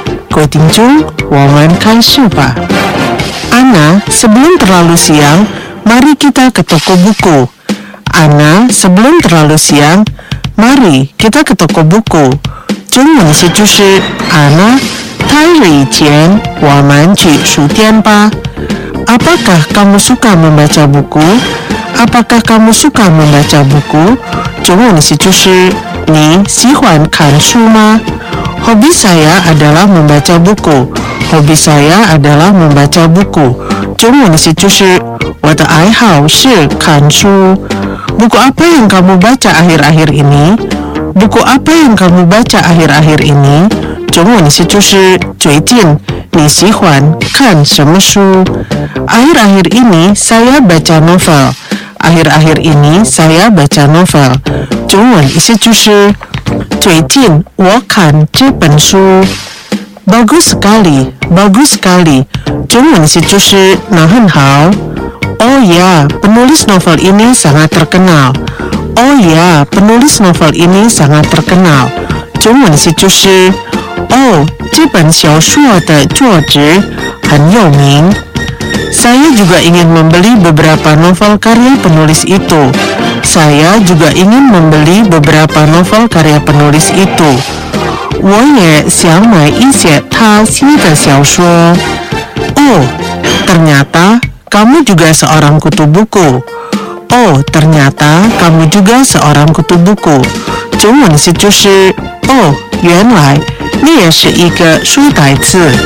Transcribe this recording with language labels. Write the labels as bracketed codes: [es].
[zh] 各位听众，我们开始吧。 [id] Anna， sebelum terlalu siang， mari kita ke toko buku。 Anna， sebelum terlalu siang， mari kita ke toko buku。 [zh] 中文是就是 Anna， 太晚以前，我们去书店吧。 [id] Apakah kamu suka membaca buku? Apakah kamu suka membaca buku? [zh] 中文是就是你喜欢看书吗？ [id] Hobi saya adalah membaca buku. Hobi saya adalah membaca buku. [zh] 中文是就是我的爱好是看书。 [id] Buku apa yang kamu baca akhir-akhir ini? Buku apa yang kamu baca akhir-akhir ini? [zh] 中文是就是最近你喜欢看什么书？ [id] Akhir-akhir ini saya baca novel. Akhir-akhir ini saya baca novel. [zh] 中文意思就是最近我看这本书。 [id] Bagus sekali, bagus sekali. [zh] 中文意思就是那很好。 [id] Oh ya, penulis novel ini sangat terkenal. Oh ya, penulis novel ini sangat terkenal. [zh] 中文意思就是 Oh, 这本小说的作者很有名。 [id] Saya juga ingin membeli beberapa novel karya penulis itu. Saya juga ingin membeli beberapa novel karya penulis itu. [zh] 我也想买一些他写的小说。 [id] Oh, ternyata kamu juga seorang kutu buku. Oh, ternyata kamu juga seorang kutu buku. [zh] 中文是就是 Oh, 原来你也是一个书呆子。